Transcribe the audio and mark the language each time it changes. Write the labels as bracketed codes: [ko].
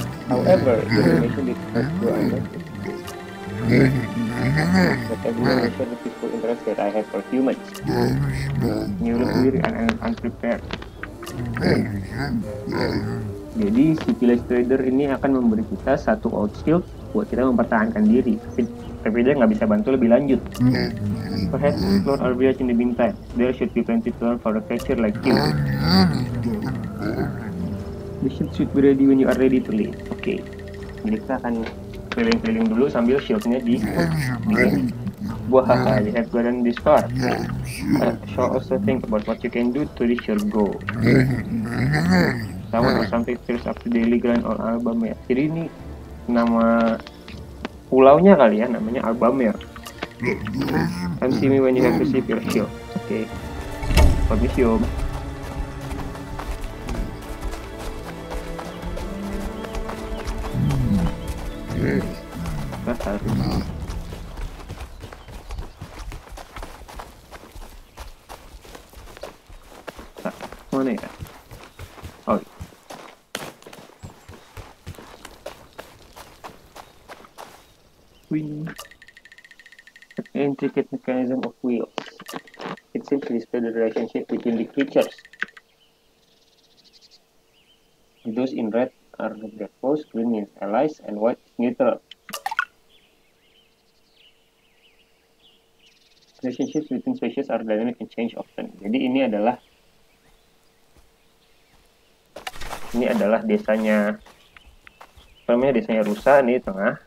[id] However, jadi si village trader ini akan memberi kita satu old shield buat kita mempertahankan diri. Tapi dia nggak bisa bantu lebih lanjut. [en] Perhaps explore our village in the meantime. There should be plenty to learn for a creature like you. The shield should be ready when you are ready to leave. [id] Oke. Okay. Jadi kita akan keliling-keliling dulu sambil shieldnya di begini. [en] Wah, you have gotten this far. Show us a thing about what you can do to reach your goal. Sama or something feels up to daily grind on Albamere. [id] Jadi ini nama pulaunya kali ya, namanya Albamere. [en] Come see me when you have received your shield. [id] Oke. Okay. Permisi om. Tak, mana ya? Oh. [en] Wheel. The intricate mechanism of wheels. It seems to display the relationship between the creatures. Those in red are the devils, green means allies, and white neutral. Relationships between species are dynamic and change often. [id] Jadi ini adalah desanya, namanya desanya rusa nih tengah.